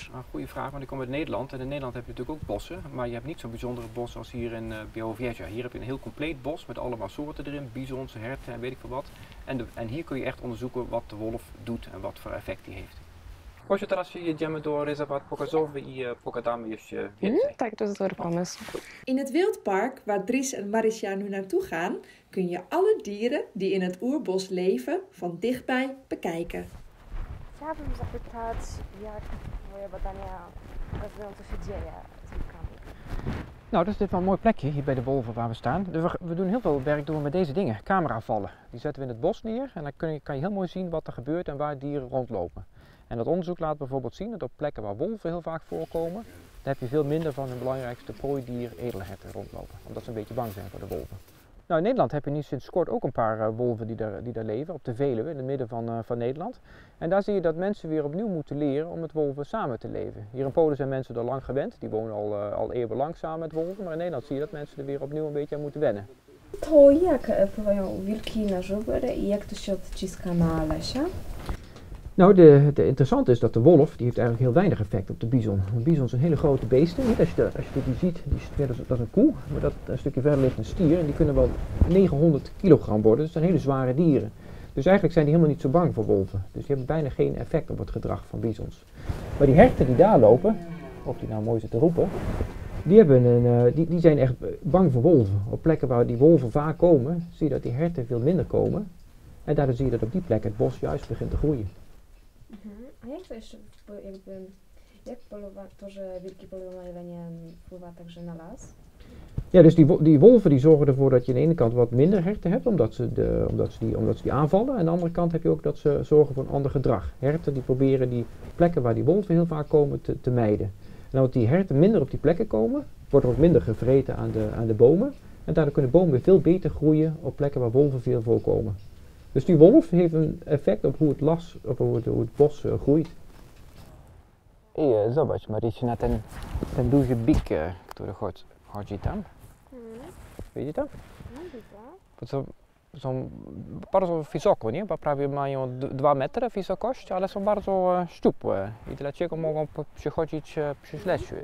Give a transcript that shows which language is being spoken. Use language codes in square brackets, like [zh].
[nl] Goeie vraag, want ik kom uit Nederland en in Nederland heb je natuurlijk ook bossen, maar je hebt niet zo'n bijzondere bos als hier in Białowieża. Hier heb je een heel compleet bos met allemaal soorten erin, bizons, herten en weet ik veel wat. En hier kun je echt onderzoeken wat de wolf doet en wat voor effect die heeft. [pl] Proszę, teraz jedziemy do rezerwat pokazowy i pogadamy jeszcze więcej. Tak, to jest dobry pomysł. [nl] In het wildpark, waar Dries en Marysia nu naartoe gaan, kun je alle dieren die in het oerbos leven van dichtbij bekijken. [pl] Chciałabym zapytać, jak moje badania pokazują, co się dzieje z wilkami. [nl] Nou, dat is dit wel een mooi plekje hier bij de wolven waar we staan. We doen heel veel werk door met deze dingen, cameravallen. Die zetten we in het bos neer en dan kan je heel mooi zien wat er gebeurt en waar dieren rondlopen. En dat onderzoek laat bijvoorbeeld zien dat op plekken waar wolven heel vaak voorkomen, daar heb je veel minder van hun belangrijkste prooidier, edelherten, rondlopen. Omdat ze een beetje bang zijn voor de wolven. Nou, in Nederland heb je nu sinds kort ook een paar wolven die daar leven, op de Veluwe, in het midden van Nederland. En daar zie je dat mensen weer opnieuw moeten leren om met wolven samen te leven. Hier in Polen zijn mensen er lang gewend, die wonen al eeuwenlang samen met wolven. Maar in Nederland zie je dat mensen er weer opnieuw een beetje aan moeten wennen. [pl] To jak pływają wilki na żubr i jak to się odciska na lesie? [nl] Nou, het interessante is dat de wolf, die heeft eigenlijk heel weinig effect op de bizon. Een bizon is een hele grote beest. Niet als je dit ziet, dat is een koe, maar dat een stukje verder ligt een stier. En die kunnen wel 900 kilogram worden, dus dat zijn hele zware dieren. Dus eigenlijk zijn die helemaal niet zo bang voor wolven. Dus die hebben bijna geen effect op het gedrag van bizons. Maar die herten die daar lopen, of die nou mooi zitten roepen, die zijn echt bang voor wolven. Op plekken waar die wolven vaak komen, zie je dat die herten veel minder komen. En daardoor zie je dat op die plek het bos juist begint te groeien. [pl] A jak to jeszcze, jak polowa, to, że wilki polują na jelenie, wpływa także na las? [nl] Ja, dus die wolven die zorgen ervoor dat je aan de ene kant wat minder herten hebt, omdat ze die aanvallen. En aan de andere kant heb je ook dat ze zorgen voor een ander gedrag. Herten die proberen die plekken waar die wolven heel vaak komen te mijden. En omdat die herten minder op die plekken komen, wordt er ook minder gevreten aan de bomen. En daardoor kunnen bomen veel beter groeien op plekken waar wolven veel voorkomen. Dus die wolf heeft een effect op hoe het bos groeit. [pl] Hey, zobacz, Marysia, na ten duży bik, który chodzi tam. Widzicie tam? Widzę. To co, są bardzo wysoko, nie? Bo prawie mają 2 metry wysokości, ale są bardzo szczupłe i dlatego mogą przechodzić przez lesie.